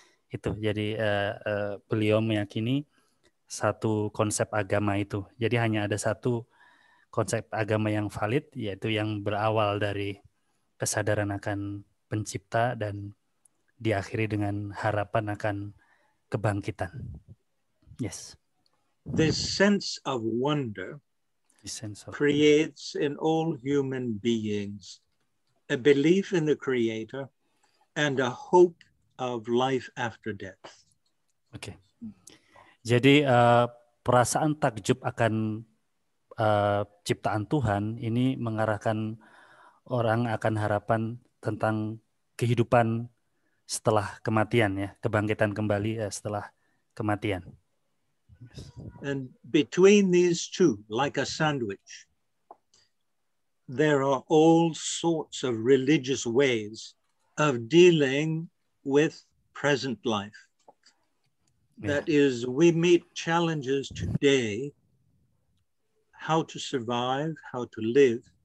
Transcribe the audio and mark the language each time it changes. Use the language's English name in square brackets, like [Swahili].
[Indonesian] Itu jadi beliau meyakini satu konsep agama itu. Jadi hanya ada satu konsep agama yang valid, yaitu yang berawal dari kesadaran akan pencipta dan diakhiri dengan harapan akan kebangkitan. [English] Yes. This sense of wonder creates in all human beings a belief in the Creator and a hope of life after death. [Indonesian] Okay. Jadi perasaan takjub akan ciptaan Tuhan ini mengarahkan orang akan harapan tentang kehidupan setelah kematian ya, kebangkitan kembali setelah kematian. [English] And between these two, like a sandwich, there are all sorts of religious ways of dealing with present life. That is, we meet challenges today, how to survive, how to live.